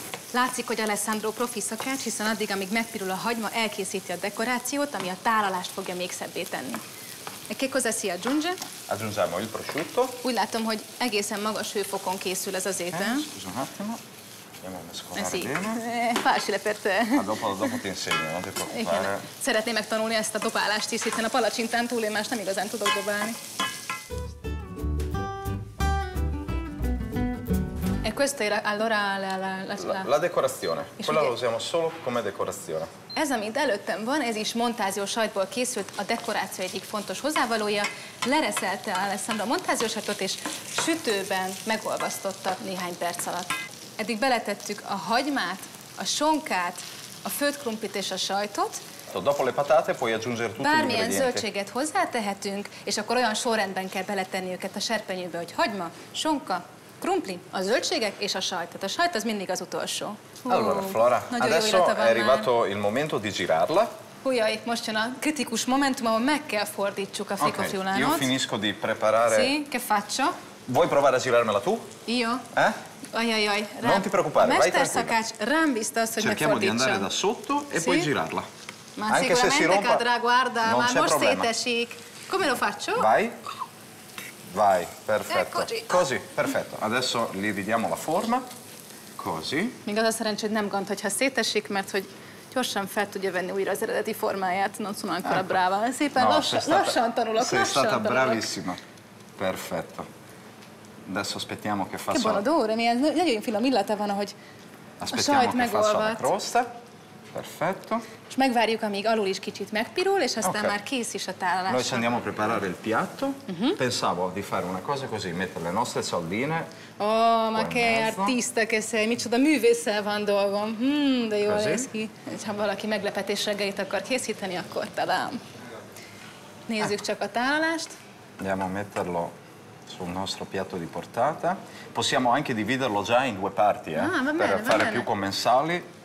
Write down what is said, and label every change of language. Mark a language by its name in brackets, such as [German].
[Hungarian] Látszik, hogy Alessandro profi szakács, hiszen addig, amíg megpirul a hagyma, elkészíti a dekorációt, ami a tálalást fogja még szebbé tenni. [Italian] E che cosa si aggiunge? Aggiungiamo il prosciutto. [Hungarian] Úgy látom, hogy egészen magas hőfokon készül ez az étel. [Italian] Scusa un attimo. Andiamo a mescolare bene. Facile per te. Dopo ti insegno, non ti preoccupare. [Hungarian] Szeretném megtanulni ezt a dobálást is, hiszen a palacsintán túl én más nem igazán tudok dobálni. [Italian] Questa era allora la decorazione. Quella lo usiamo solo come decorazione. [Hungarian] Ez, amit előttem van, ez is montázió sajtból készült, a dekoráció egyik fontos hozzávalója. Lereszelte Alessandro a montázió sajtot, és sütőben megolvasztotta néhány perc alatt. Eddig beletettük a hagymát, a sonkát, a főtt krumplit és a sajtot. [Italian] Dopo le patate puoi aggiungere tutti gli ingredienti. [Hungarian] Bármilyen zöldséget hozzátehetünk, és akkor olyan sorrendben kell beletenni őket a serpenyőbe, hogy hagyma, sonka, krumpli, a zöldségek és a sajt. Tehát a sajt az mindig az utolsó. [Italian] Allora, Flora, adesso è arrivato il momento di girarla. [Hungarian] Ujjaj, most jön a kritikus momentum, ahol meg kell fordítsuk a Frico Friulanot. [Italian] Io finisco di preparare... Sì, che faccio? Vuoi provare a girarmela tu? Io? Ajajaj. Non ti preoccupare, vai tranquilla. [Hungarian] A mesterszakács rám bízta azt, hogy [Italian] cerchiamo di andare da sotto e puoi girarla. Ma sicuramente cadrà, guarda, [Hungarian] ma most szétesik. [Italian] Come lo faccio? Vai. Vai, perfetto. Così, perfetto. Adesso gli ridiamo la forma. Così. [Hungarian] Még az a szerencsé, hogy nem gond, hogyha szétesik, mert hogy gyorsan fel tudja venni újra az eredeti formáját. [Italian] Non sono ancora brava. [Hungarian] Szépen lassan tanulok. [Italian] Sei stata bravissima. Perfetto. Adesso aspettiamo che faccia... Che buon odore. [Hungarian] Milyen nagyon finom illata van, ahogy a sajt megolvadt. [Italian] Aspettiamo che faccia la crosta. Perfetto. [Hungarian] És megvárjuk, amíg alul is kicsit megpirul, és aztán már kész is a tálalás. [Italian] Noi ci andiamo a preparare il piatto. Pensavo di fare una cosa così, mettere le nostre saldine. Oh, ma che artista che sei, [Hungarian] micsoda művésszel van dolgom. De jól néz ki. Ha valaki meglepetés reggelit akar készíteni, akkor talán. Nézzük csak a tálalást. [Italian] Andiamo a metterlo sul nostro piatto di portata. Possiamo anche dividerlo già in due parti, per fare più commensali.